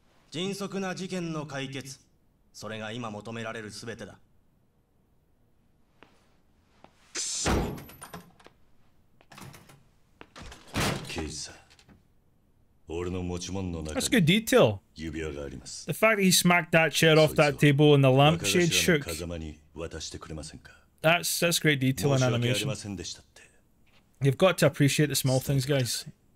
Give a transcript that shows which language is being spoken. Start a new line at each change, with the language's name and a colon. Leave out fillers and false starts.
Japanese: 迅速な事件の解決、それが今求められるすべてだ。くそ。刑事さん、俺の持ち物の中に。
English: That's good detail.
Japanese: 指輪があります。
English: The fact he smacked that chair off that table and the lampshade shook.
Japanese: 風間に渡してくれませんか。
English: That's great detail and animation.
Japanese: 申し訳ありませんでした。
English: You've got to appreciate the small things, guys.